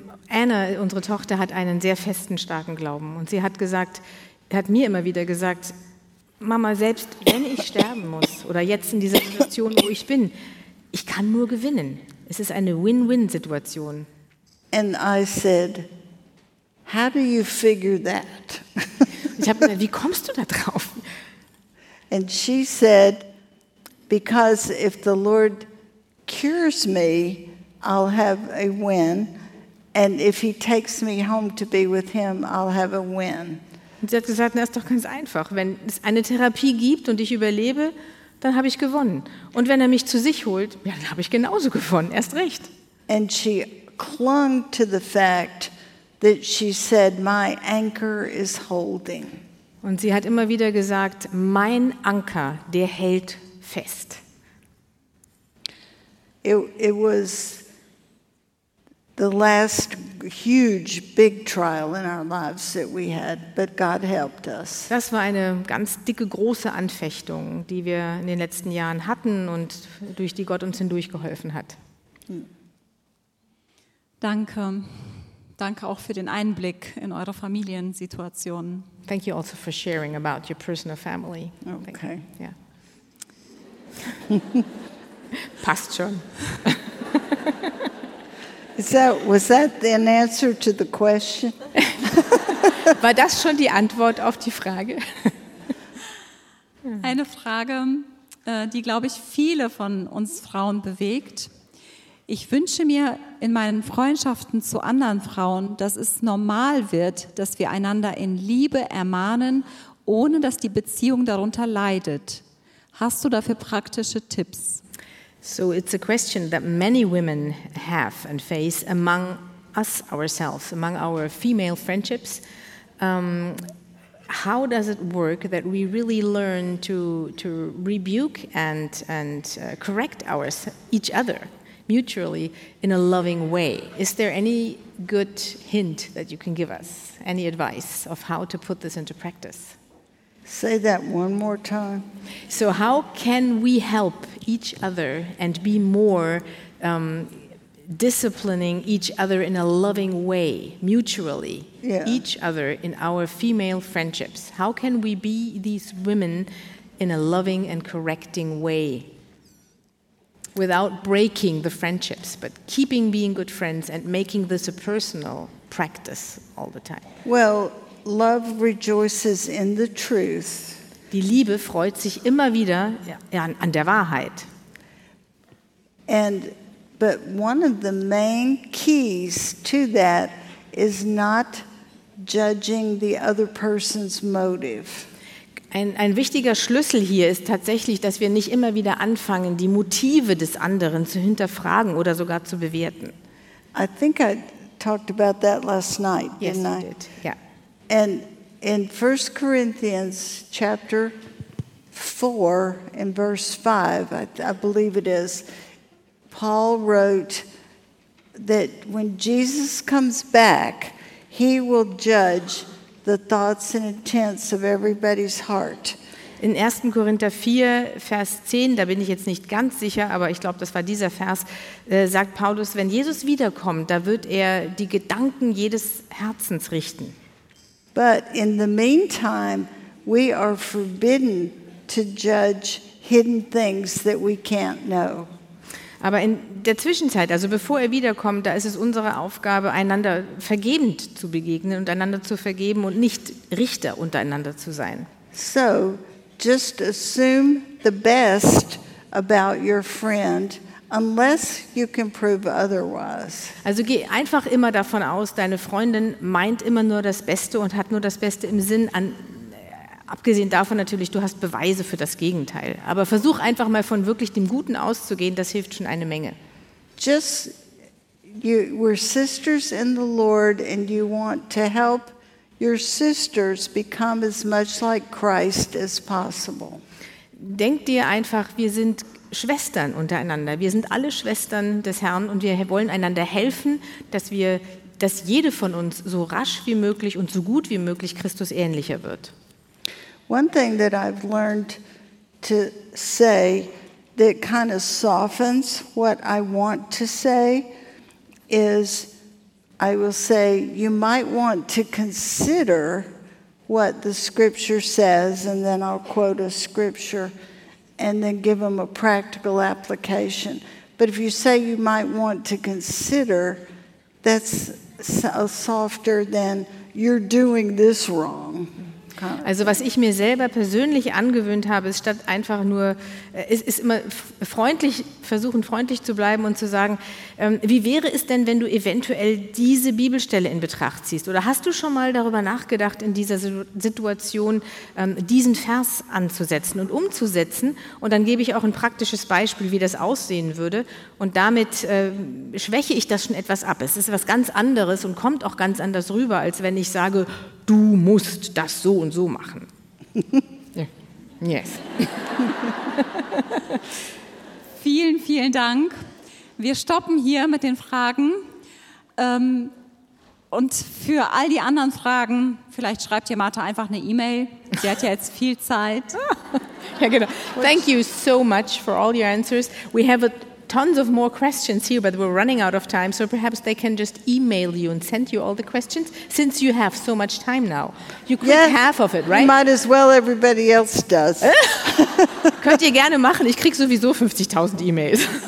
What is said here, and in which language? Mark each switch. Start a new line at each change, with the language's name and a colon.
German: Anna, unsere Tochter, hat einen sehr festen, starken Glauben, und sie hat gesagt, hat mir immer wieder gesagt, "Mama, selbst wenn ich sterben muss oder jetzt in dieser Situation, wo ich bin, ich kann nur gewinnen." Es ist eine Win-Win-Situation.
English: And I said, "How do you figure that?"
German: Ich habe gesagt, wie kommst du da drauf?
English: And she said, "Because if the Lord cures me, I'll have a win, and if he takes me home to be with him, I'll have a win."
German: Und sie hat gesagt, na, ist doch ganz einfach. Wenn es eine Therapie gibt und ich überlebe, dann habe ich gewonnen. Und wenn mich zu sich holt, ja, dann habe ich genauso gewonnen, erst recht.
English: And she clung to the fact that she said, "My anchor is holding."
German: Und sie hat immer wieder gesagt, mein Anker, der hält fest.
English: It was the last huge big trial in our lives that we had, but God helped us.
German: Das war eine ganz dicke große Anfechtung, die wir in den letzten Jahren hatten und durch die Gott uns hindurch geholfen hat. Danke. Danke auch für den Einblick in eure Familiensituation.
English: Thank you also for sharing about your personal family. Okay. Yeah.
German: Passt schon.
English: Was that the answer to the question?
German: War das schon die Antwort auf die Frage? Eine Frage, die, glaube ich, viele von uns Frauen bewegt. Ich wünsche mir in meinen Freundschaften zu anderen Frauen, dass es normal wird, dass wir einander in Liebe ermahnen, ohne dass die Beziehung darunter leidet. Hast du dafür praktische Tipps?
English: So it's a question that many women have and face among us ourselves, among our female friendships. How does it work that we really learn to rebuke and correct each other mutually in a loving way? Is there any good hint that you can give us? Any advice of how to put this into practice? Say that one more time. So how can we help each other and be more disciplining each other in a loving way, mutually, yeah, each other in our female friendships? How can we be these women in a loving and correcting way without breaking the friendships, but keeping being good friends and making this a personal practice all the time? Well, love rejoices in the truth.
German: Die Liebe freut sich immer wieder an der Wahrheit.
English: But one of the main keys to that is not judging the other person's motive.
German: Ein wichtiger Schlüssel hier ist tatsächlich, dass wir nicht immer wieder anfangen, die Motive des anderen zu hinterfragen oder sogar zu bewerten.
English: I think I talked about that last night. Yes, didn't Did. Yeah. And in 1 Corinthians chapter 4 in verse 5, I believe it is, Paul wrote that when Jesus comes back, he will judge the thoughts and intents of everybody's heart.
German: In 1. Korinther 4, Vers 10, da bin ich jetzt nicht ganz sicher, aber ich glaube, das war dieser Vers, sagt Paulus, wenn Jesus wiederkommt, da wird er die Gedanken jedes Herzens richten.
English: But in the meantime, we are forbidden to judge hidden things that we can't know.
German: Aber in der Zwischenzeit, also bevor er wiederkommt, da ist es unsere Aufgabe, einander vergebend zu begegnen und einander zu vergeben und nicht Richter untereinander zu sein.
English: So, just assume the best about your friend, unless you can prove otherwise.
German: Also geh einfach immer davon aus, deine Freundin meint immer nur das Beste und hat nur das Beste im Sinn, abgesehen davon natürlich, du hast Beweise für das Gegenteil. Aber versuch einfach mal von wirklich dem Guten auszugehen, das hilft schon eine Menge.
English: Just, we're sisters in the Lord and you want to help your sisters become as much like Christ as possible.
German: Denk dir einfach, wir sind Schwestern untereinander. Wir sind alle Schwestern des Herrn und wir wollen einander helfen, dass jede von uns so rasch wie möglich und so gut wie möglich Christus ähnlicher wird.
English: One thing that I've learned to say that kind of softens what I want to say is I will say, you might want to consider what the scripture says, and then I'll quote a scripture and then give them a practical application. But if you say you might want to consider, that's softer than you're doing this wrong.
German: Also was ich mir selber persönlich angewöhnt habe, ist statt einfach nur, ist immer freundlich, versuchen freundlich zu bleiben und zu sagen, wie wäre es denn, wenn du eventuell diese Bibelstelle in Betracht ziehst? Oder hast du schon mal darüber nachgedacht, in dieser Situation diesen Vers anzusetzen und umzusetzen? Und dann gebe ich auch ein praktisches Beispiel, wie das aussehen würde. Und damit schwäche ich das schon etwas ab. Es ist was ganz anderes und kommt auch ganz anders rüber, als wenn ich sage, du musst das so und so machen.
English: Yes.
German: Vielen, vielen Dank. Wir stoppen hier mit den Fragen. Und für all die anderen Fragen, vielleicht schreibt ihr Martha einfach eine E-Mail. Sie hat ja jetzt viel Zeit. Ja, genau.
English: Thank you so much for all your answers. We have tons of more questions here, but we're running out of time, so perhaps they can just email you and send you all the questions, since you have so much time now. You could yeah, half of it, right? Might as well, everybody else does.
German: Könnt ihr gerne machen, ich krieg sowieso 50.000 E-Mails.